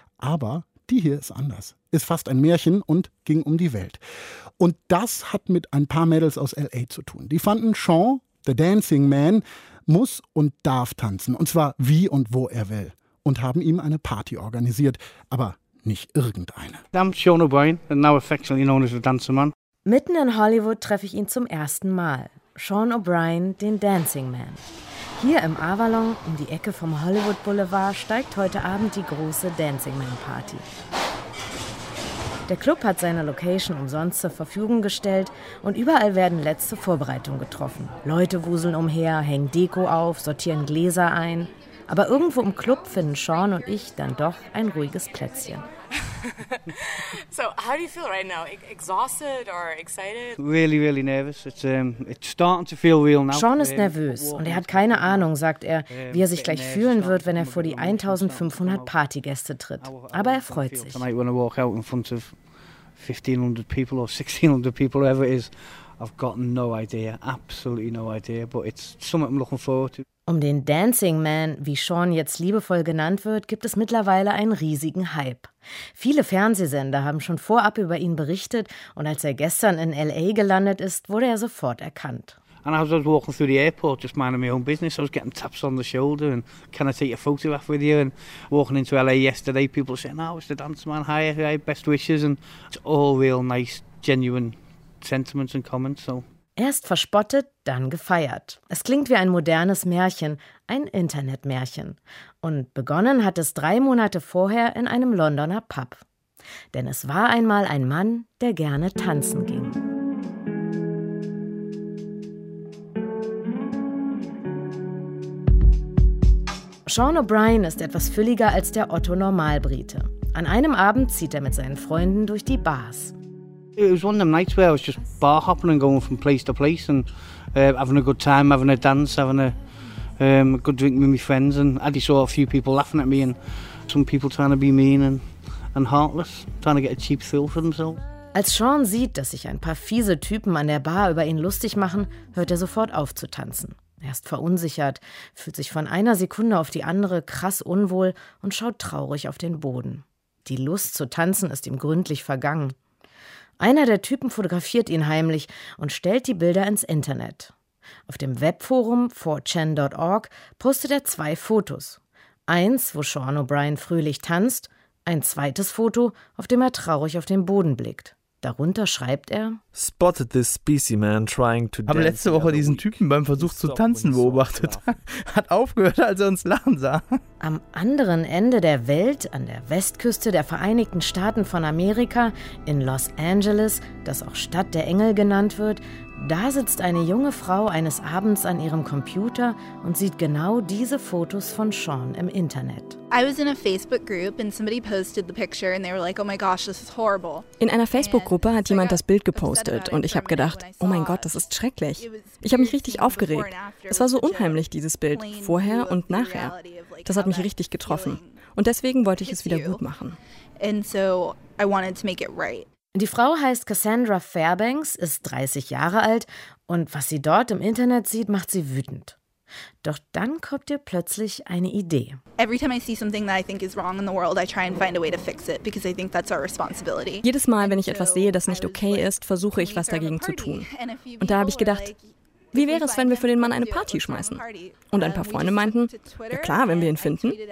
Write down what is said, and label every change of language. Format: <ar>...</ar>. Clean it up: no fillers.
<de>Aber die hier ist anders. Ist fast ein Märchen und ging um die Welt. Und das hat mit ein paar Mädels aus L.A. zu tun. Die fanden Sean, the Dancing Man, muss und darf tanzen. Und zwar wie und wo er will. Und haben ihm eine Party organisiert, aber nicht irgendeine.</de> <en>I'm Sean O'Brien, now affectionately known as the Dancing Man.</en> <de>Mitten in Hollywood treffe ich ihn zum ersten Mal. Sean O'Brien, den Dancing Man. Hier im Avalon, um die Ecke vom Hollywood Boulevard, steigt heute Abend die große Dancing Man Party. Der Club hat seine Location umsonst zur Verfügung gestellt und überall werden letzte Vorbereitungen getroffen. Leute wuseln umher, hängen Deko auf, sortieren Gläser ein. Aber irgendwo im Club finden Sean und ich dann doch ein ruhiges Plätzchen.</de> <en>So, how do you feel right now? Exhausted or excited? Really, really nervous. It's starting to feel real now.</en> <de>Sean ist nervös und er hat keine Ahnung, sagt er, wie er sich gleich fühlen wird, wenn er vor die 1500 Partygäste tritt. Aber er freut sich.</de> <en>Tonight when I walk out in front of 1500 people or 1600 people, whoever it is, I've got no idea, absolutely no idea, but it's something I'm looking forward to.</en> <de>Um den Dancing Man, wie Sean jetzt liebevoll genannt wird, gibt es mittlerweile einen riesigen Hype. Viele Fernsehsender haben schon vorab über ihn berichtet und als er gestern in L.A. gelandet ist, wurde er sofort erkannt.</de> <en>And as I was walking through the airport, just minding my own business, I was getting taps on the shoulder and can I take a photograph with you? And walking into L.A. yesterday, people saying, oh, it's the Dancing Man, hi, hi, best wishes. And it's all real nice, genuine sentiments and comments, so.</en> <de>Erst verspottet, dann gefeiert. Es klingt wie ein modernes Märchen, ein Internetmärchen. Und begonnen hat es 3 Monate vorher in einem Londoner Pub. Denn es war einmal ein Mann, der gerne tanzen ging. Sean O'Brien ist etwas fülliger als der Otto-Normalbrite. An einem Abend zieht er mit seinen Freunden durch die Bars.</de> <en>It was one of them nights where I was just bar hopping and going from place to place and having a good time, having a dance, having a good drink with my friends. And I just saw a few people laughing at me and some people trying to be mean and heartless, trying to get a cheap thrill for themselves.</en> <de>Als Sean sieht, dass sich ein paar fiese Typen an der Bar über ihn lustig machen, hört er sofort auf zu tanzen. Er ist verunsichert, fühlt sich von einer Sekunde auf die andere krass unwohl und schaut traurig auf den Boden. Die Lust zu tanzen ist ihm gründlich vergangen. Einer der Typen fotografiert ihn heimlich und stellt die Bilder ins Internet. Auf dem Webforum 4chan.org postet er 2 Fotos. Eins, wo Sean O'Brien fröhlich tanzt, ein zweites Foto, auf dem er traurig auf den Boden blickt. Darunter schreibt er:</de> <en>Spotted this species man trying to dance.</en> <de>Habe letzte Woche diesen Typen beim Versuch zu tanzen beobachtet. Hat aufgehört, als er uns lachen sah. Am anderen Ende der Welt, an der Westküste der Vereinigten Staaten von Amerika, in Los Angeles, das auch Stadt der Engel genannt wird, da sitzt eine junge Frau eines Abends an ihrem Computer und sieht genau diese Fotos von Sean im Internet.</de> <en>I was in a Facebook group and somebody posted the picture and they were like, oh my gosh, this is horrible.</en> <de>In einer Facebook-Gruppe hat jemand das Bild gepostet und ich habe gedacht, oh mein Gott, das ist schrecklich. Ich habe mich richtig aufgeregt. Es war so unheimlich, dieses Bild, vorher und nachher. Das hat mich richtig getroffen und deswegen wollte ich es wieder gut machen.</de> <en>And so I wanted to make it right.</en> <de>Die Frau heißt Cassandra Fairbanks, ist 30 Jahre alt und was sie dort im Internet sieht, macht sie wütend. Doch dann kommt ihr plötzlich eine Idee.</de> <en>Every time I see something that I think is wrong in the world, I try and find a way to fix it because I think that's our responsibility.</en> <de>Jedes Mal, wenn ich etwas sehe, das nicht okay ist, versuche ich was dagegen zu tun. Und da habe ich gedacht, wie wäre es, wenn wir für den Mann eine Party schmeißen? Und ein paar Freunde meinten, ja klar, wenn wir ihn finden.</de>